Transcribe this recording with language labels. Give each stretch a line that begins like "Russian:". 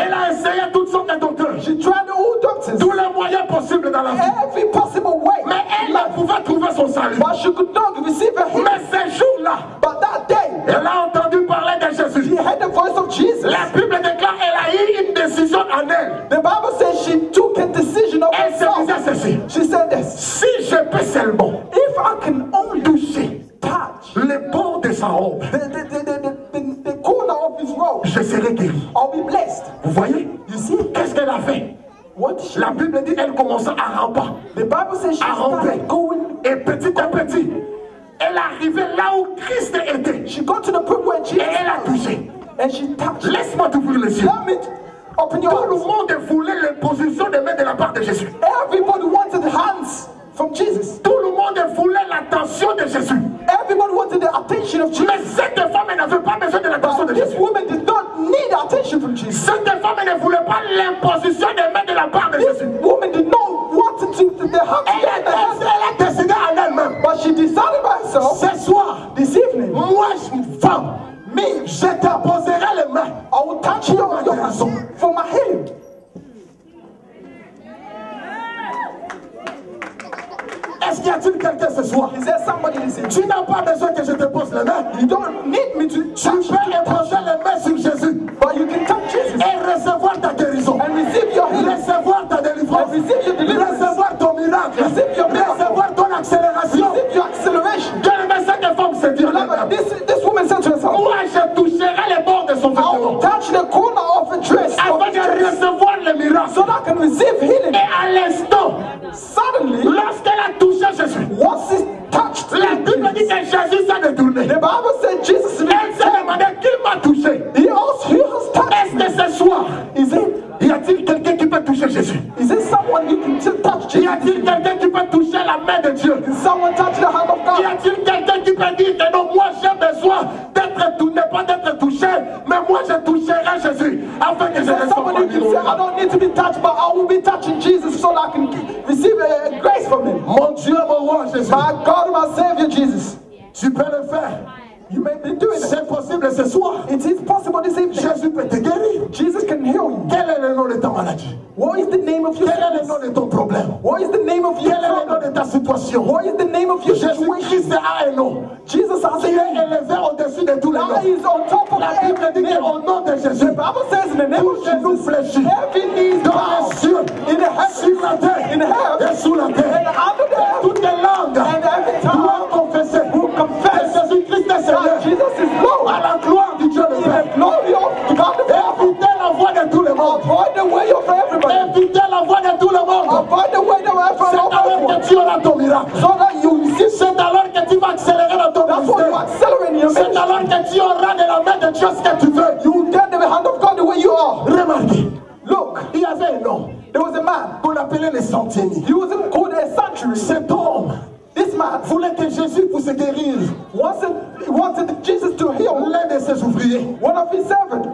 French: Elle a essayé toutes sortes de docteurs.
English: She tried all doctors.
French: Tous les moyens possibles dans la vie.
English: Every possible way.
French: Mais elle ne pouvait trouver son salut.
English: But she could not receive her healing.
French: Mais ce jour-là.
English: But that day.
French: Elle a entendu parler de Jésus.
English: She heard the voice of Jesus.
French: La Bible déclare qu'elle a eu une décision en elle.
English: The Bible says she took a decision of herself.
French: Elle se disait ceci.
English: She said this.
French: Si je peux seulement.
English: If I can only
French: toucher. Le bord de sa robe.
English: The corner of his robe.
French: Je serai guéri.
English: I'll be blessed.
French: Vous voyez?
English: You see?
French: Qu'est-ce qu'elle a fait?
English: What?
French: La Bible dit elle commença à ramper.
English: The Bible says she started going.
French: Et petit à petit, elle arrivait là où Christ était.
English: She got to the point where Jesus.
French: Et elle a touché.
English: And she touched.
French: Laisse-moi t'ouvrir les yeux.
English: Let me open your eyes.
French: Tout le monde voulait les positions de main de la part de Jésus.
English: Everybody wanted hands. From Jesus.
French: Tout le monde voulait l'attention de Jésus.
English: Everybody wanted the attention of Jesus.
French: Mais cette femme n'avait pas besoin de l'attention de Jésus.
English: This woman did not need attention from Jesus.
French: Cette femme ne voulait pas l'imposition des mains de la part de
English: this
French: Jésus.
English: This woman did not want to the hand.
French: Elle a décidé en elle-même.
English: But she decided by herself.
French: Ce soir,
English: this evening,
French: moi, femme,
English: me,
French: je t'imposerai les mains.
English: I will touch you on your hands for my healing.
French: Est-ce qu'il y a-t-il quelqu'un ce soir?
English: Is there somebody listening?
French: Tu n'as pas besoin que je te pose les mains.
English: You don't need me to touch.
French: Tu peux imposer les mains sur Jésus.
English: But you can touch Jesus.
French: Et recevoir ta guérison.
English: And receive your healing.
French: Recevoir ta délivrance.
English: And receive your deliverance.
French: Recevoir ton miracle.
English: Receive your miracle.
French: Recevoir ton accélération.
English: Receive your acceleration.
French: Quelle message de femme c'est dire?
English: This woman said to herself.
French: Moi, je toucherai les bords de son vêtement.
English: I will touch the corner of a dress.
French: Avant de recevoir le miracle.
English: So that I can receive healing.
French: Et à l'instant.
English: Suddenly.
French: Lorsqu'elle a touché Jésus.
English: What's it touched?
French: La Bible dit que Jésus s'est détourné.
English: The Bible said Jesus.
French: Elle s'est demandé qui m'a touché.
English: He asked who has touched.
French: Est-ce que ce soir?
English: Is it?
French: Y a-t-il quelqu'un qui peut toucher Jésus?
English: Is it someone who can still touch Jesus?
French: Y a-t-il quelqu'un qui peut toucher la main de Dieu?
English: Can someone touch the hand of God?
French: Y a-t-il quelqu'un qui peut dire que non, moi j'ai besoin d'être tourné, pas d'être touché, mais moi je toucherai Jésus afin que je reçoive.
English: Is there someone who can say I don't need to be touched, but I will be touching Jesus so that I can receive grace from Him?
French: Mon Dieu, mon roi, Jésus.
English: My God, my Savior, Jesus.
French: Tu peux le faire.
English: You may be doing it.
French: C'est possible ce soir.
English: It is possible this evening.
French: Jésus peut te guérir.
English: Jesus can heal you.
French: Quel est le nom de ta maladie?
English: What is the name of your sickness?
French: Quel est le nom de ton problème?
English: What is the name of your problem?
French: Quel est le nom de ta situation?
English: What is the name of your
French: Jésus
English: situation?
French: Christ a un nom.
English: Jesus has a name.
French: Qui est élevé au-dessus de tous les noms.
English: That is on top of
French: la Bible dit que au nom de Jésus.
English: The Bible says in the name of Jesus.
French: Fléchis.
English: Every knee is
French: dans les cieux.
English: In the heaven.
French: Sur la terre.
English: In heaven.
French: Et sous la terre.
English: And under the
French: toutes les langues.
English: And every tongue.
French: Doit confesser.
English: Who confess? Jesus is Lord.
French: À la gloire du Dieu le Père.
English: Glory of God the Father.
French: Évitez la voie de tout le monde.
English: Avoid the way of everybody.
French: Évitez la voie de tout le monde.
English: Avoid the way of everyone.
French: C'est alors que tu auras ton miracle.
English: So that you see.
French: C'est alors que tu vas accélérer dans ton ministère. C'est alors que tu auras de la main de Dieu ce que tu veux.
English: You will get the hand of God the way you are.
French: Remarque.
English: Look.
French: Il y avait un nom.
English: There was a man.
French: Qu'on appelait le centenier.
English: He was called a centurion.
French: Cet homme.
English: This man
French: voulait que Jésus puisse guérir.
English: Wanted Jesus to heal
French: l'un de ses ouvriers.
English: One of his servants.